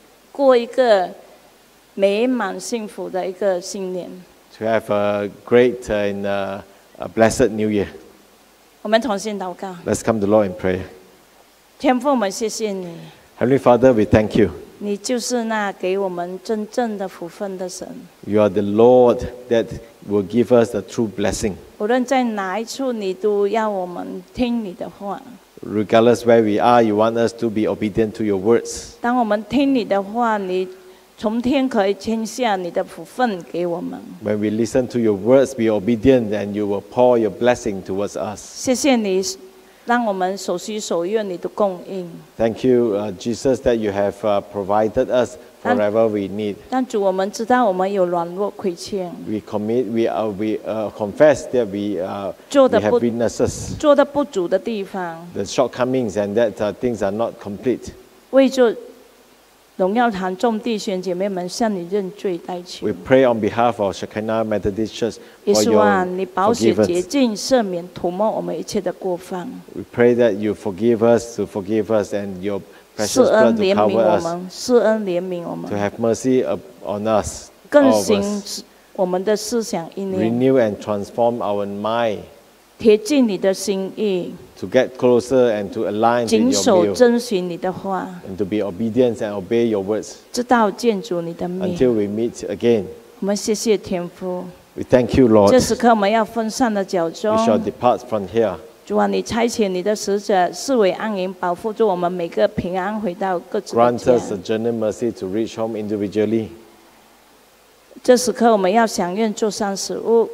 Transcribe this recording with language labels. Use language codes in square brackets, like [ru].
[zh] 过一个美满幸福的一个新年。 [en] To have a great and a blessed New Year. [zh] 我们同心祷告。 [en] Let's come to the Lord in prayer. [zh] 天父，我们谢谢你。 [en] Heavenly Father, we thank you. [zh] 你就是那给我们真正的福分的神。 [en] You are the Lord that will give us the true blessing. [zh] 无论在哪一处，你都要我们听你的话。 [en] Regardless where we are, you want us to be obedient to your words. [zh] 当我们听你的话，你从天可以倾下你的福分给我们。 [en] When we listen to your words, be obedient, and you will pour your blessing towards us. [zh] 谢谢你，让我们所需所愿你都供应。 [en] Thank you, Jesus, that you have provided us forever we need. [zh] 但主，我们知道我们有软弱亏欠。 [en] We confess that we have weaknesses. [zh] 做的不足的地方。 [en] The shortcomings and that things are not complete. [zh] 为着荣耀堂众弟兄姐妹们向你认罪代求。 [en] We pray on behalf of Shekinah Methodist Church for your forgiveness. [zh] 你保守洁净赦免涂抹我们一切的过犯。 [en] We pray that you forgive us to forgive us and your [zh] 施恩怜悯我们，施恩怜悯我们。 [en] To have mercy on us, [zh] 更新我们的思想意念。 [en] Renew and transform our mind. [zh] 贴近你的心意。 [en] To get closer and to align to your will. [zh] 谨守遵循你的话。 [en] And to be obedient and obey your words. [zh] 直到见主你的面。 [en] Until we meet again. [zh] 我们谢谢天父。 [en] We thank you, Lord. [zh] 这时刻我们要分散的脚中。 [en] We shall depart from here. [zh] 主啊，你差遣你的使者四维安营，保护着我们每个平安回到各自的家。 [en] Grant us the journey mercy to reach home individually. [zh] 这时刻我们要享用座上食物。